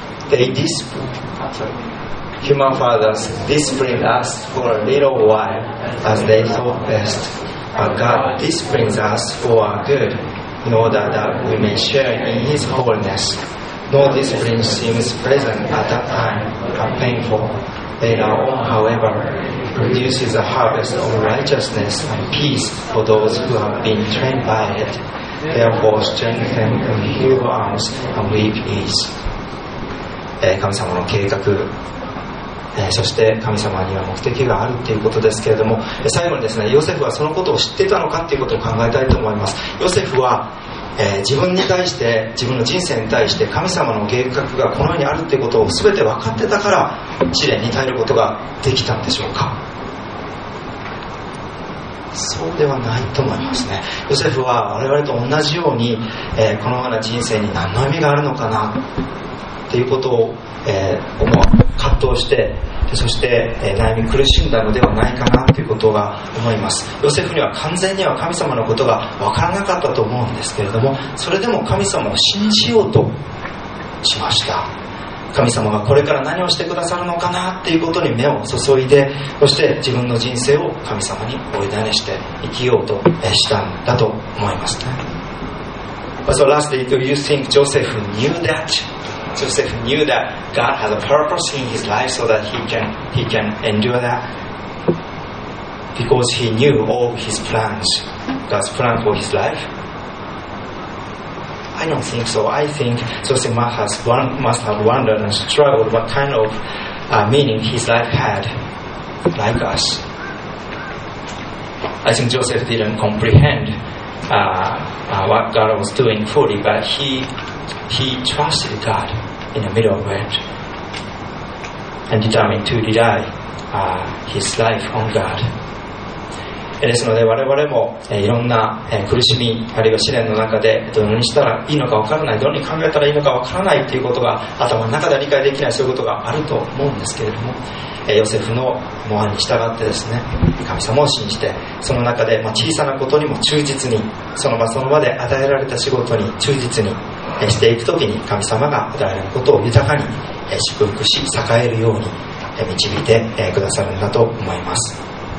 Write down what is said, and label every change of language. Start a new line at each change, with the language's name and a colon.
English: Human fathers disciplined us for a little while as they thought best, but God disciplines us for our good, in order that we may share in His holiness. No discipline seems pleasant at that time, but painful. Later on, however, produces a harvest of righteousness and peace for those who have been trained by it. Therefore, strengthen the feeble arms and weak knees.
Japanese: 神様の計画、そして神様には目的があるということですけれども、最後にですね、ヨセフはそのことを知ってたのかということを考えたいと思います。ヨセフは、自分に対して、自分の人生に対して神様の計画がこの世にあるということを全て分かってたから、試練に耐えることができたんでしょうか。そうではないと思いますね。ヨセフは我々と同じように、このような人生に何の意味があるのかなということを、思う、葛藤して、そして、悩み苦しんだのではないかなということが思います。ヨセフには完全には神様のことが分からなかったと思うんですけれども、それでも神様を信じようとしました。神様がこれから何をしてくださるのかなということに目を注いで、そして自分の人生を神様にお委ねして生きようとしたんだと思いますね。
English: So lastly, do you think Joseph knew thatJoseph knew that God has a purpose in his life so that he can endure that? Because he knew all his plans, God's plan for his life? I don't think so. I think Joseph must have wondered and struggled what kind of meaning his life had, like us. I think Joseph didn't comprehend what God was doing fully, but he trusted God. In the middle of it, and determined to rely his life on God.
Japanese: ですので、我々もいろんな苦しみ、あるいは試練の中で、どのようにしたらいいのか分からない、どのように考えたらいいのか分からないということが、頭の中で理解できない、そういうことがあると思うんですけれども、ヨセフの模範に従ってですね、神様を信じて、その中で小さなことにも忠実に、その場その場で与えられた仕事に忠実に、していくときに神様が与えることを豊かに祝福し栄えるように導いてくださるんだと思います。